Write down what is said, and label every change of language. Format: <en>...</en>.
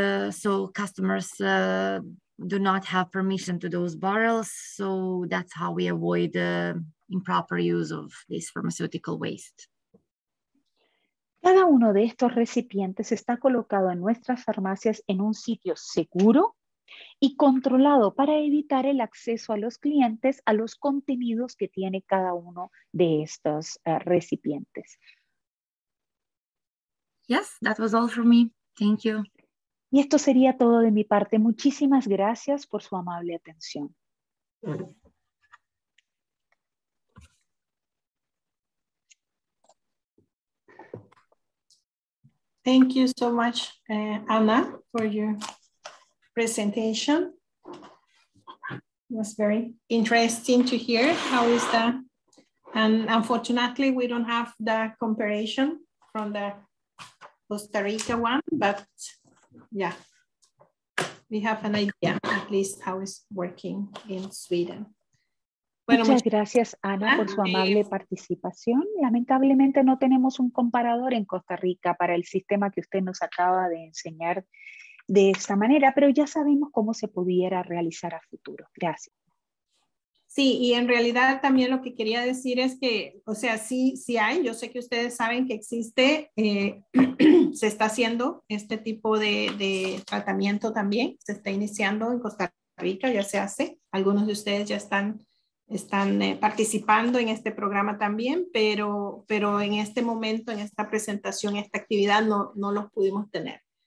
<en>So customers do not have permission to those barrels. So that's how we avoid improper use of this pharmaceutical waste.</en> <es>Cada uno de estos recipientes está colocado en nuestras farmacias en un sitio seguro y controlado para evitar el acceso a los clientes a los contenidos que tiene cada uno de estos recipientes.</es> <en>Yes, that was all for me. Thank you.</en> <es>Y esto sería todo de mi parte. Muchísimas gracias por su amable atención.</es> <en>Thank you so much, Anna, for your presentation. It was very interesting to hear how is that. And unfortunately, we don't have the comparison from the Costa Rica one, but yeah, we have an idea at least how it's working in Sweden.</en> <es>Bueno, muchas gracias, Ana, por su amable participación. Lamentablemente no tenemos un comparador en Costa Rica para el sistema que usted nos acaba de enseñar de esta manera, pero ya sabemos cómo se pudiera realizar a futuro. Gracias. Sí, y en realidad también lo que quería decir es que, o sea, sí, sí hay, yo sé que ustedes saben que existe, se está haciendo este tipo de tratamiento también, se está iniciando en Costa Rica, ya se hace, algunos de ustedes ya están participando en este programa también, pero en este momento, en esta presentación, esta actividad, no los pudimos tener.</es>